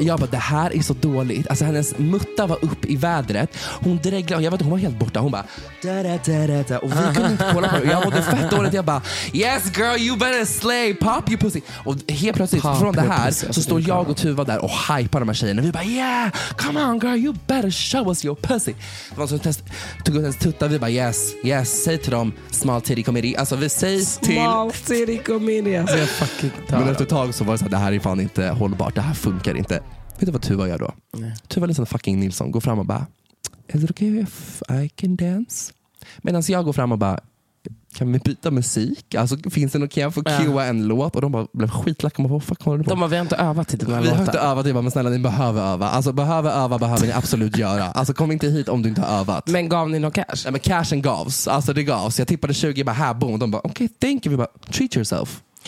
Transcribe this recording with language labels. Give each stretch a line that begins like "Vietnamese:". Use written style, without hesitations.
Swedish: Jag bara, det här är så dåligt. Alltså hennes mutta var upp i vädret. Hon dreglade. Jag vet inte, hon var helt borta. Hon bara. Och vi kunde inte kolla på det. Jag mådde fett dåligt. Jag bara,
English: yes girl, you better slay. Pop your pussy.
Swedish: Och helt plötsligt pop från det här pussy. Så står jag och Tuva där och hypar de här tjejerna. Vi bara,
English: yeah, come on girl, you better show us your pussy.
Swedish: Det var som test. Tog ut ens tutta. Vi bara,
English: yes, yes.
Swedish: Säg till dem,
English: small titty comedy.
Swedish: Alltså vi säger till
English: small titty comedy.
Swedish: Alltså jag fucking. Men efter ett tag så var det såhär, det här är fan inte hållbart. Det här funkar inte. Vet du vad Tuva gör då? Nej. Tuva liksom fucking Nilsson går fram och bara,
English: is it okay if I can dance?
Swedish: Medan jag går fram och bara, kan vi byta musik? Alltså finns det något, kan jag få cua en låt? Och de bara blev skitlack. Bara, fuck, de har vi inte övat till den här vi låten. Vi har inte övat till, men snälla ni behöver öva. Alltså behöver öva, behöver ni absolut göra. Alltså kom inte hit om du inte har övat. Men gav ni någon cash? Nej, men cashen gavs. Alltså det gavs. Jag tippade 20, bara här boom. De bara,
English: okay, thank you.
Swedish: Vi bara,
English: treat yourself.